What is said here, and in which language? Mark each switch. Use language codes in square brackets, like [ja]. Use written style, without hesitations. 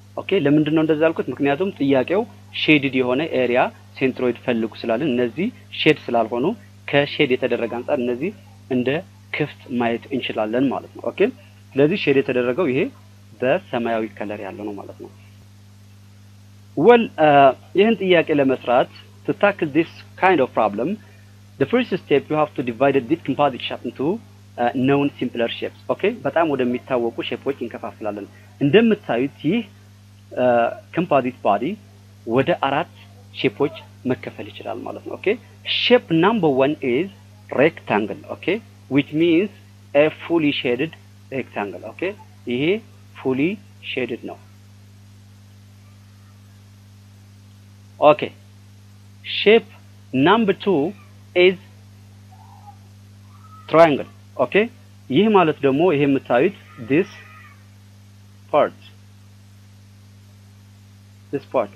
[am] Okay, ለምንድነው እንደዛ አልኩት? ምክንያቱም ጥያቄው ሼድድ የሆነ ኤሪያ ሴንትሮይድ ፈልጉ ስላልን እነዚህ ሼድ ስላልሆኑ ከሼድ የተደረገ አንጻር እነዚህ እንደ ክፍት ማየት እንችላለን ማለት ነው። ኦኬ? ስለዚህ ሼድ የተደረገው ይሄ በሰማያዊ ከለር ያለው ነው ማለት ነው። Well, ይሄን ጥያቄ ለመስራት [en] to tackle this kind of problem, the first step you have to divide this composite shape into known simpler shapes. Okay? [am] በጣም ወደሚታወቁ ሼፖች እንከፋፍላለን። እንደምታዩት ይሄ composite body ወደ አራት ሼፖች መከፈል ይችላል ማለት ነው። ኦኬ ሼፕ ነምበር 1 [en] is rectangle. ኦኬ which means a fully shaded rectangle. [am] ኦኬ ይሄ [en] fully shaded [am] ነው። ኦኬ ሼፕ ነምበር 2 [en] is triangle. [am] ኦኬ ይሄ ማለት ደግሞ ይሄ የምታዩት [en] this part this part.